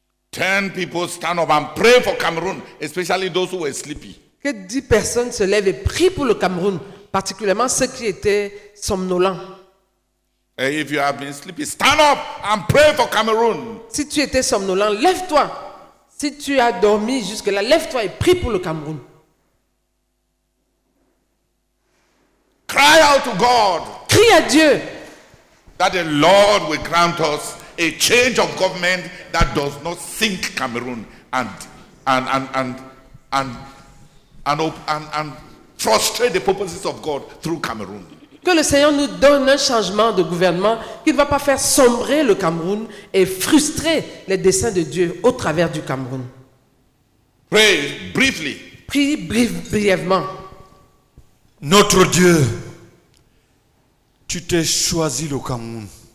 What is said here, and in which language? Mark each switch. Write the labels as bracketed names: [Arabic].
[English] Ten people stand up and pray for Cameroon, especially those who were sleepy. [French] Que 10 personnes se lèvent et prient pour le Cameroun, particulièrement ceux qui étaient somnolents. [English] And if you have been sleepy, stand up and pray for Cameroon. [French] Si tu étais somnolent, lève-toi. Si tu as dormi jusque-là, lève-toi et prie pour le Cameroun. [English] Cry out to God. [French] Crie à Dieu. [English] That the Lord will grant us a change of government that does not sink Cameroon and frustrate the purposes of God through Cameroon. [French] Que le Seigneur nous donne un changement de gouvernement qui ne va pas faire sombrer le Cameroun et frustrer les desseins de Dieu au travers du Cameroun. [English] Pray briefly. [French] Prie brièvement. Notre Dieu, tu t'es choisi le Cameroun.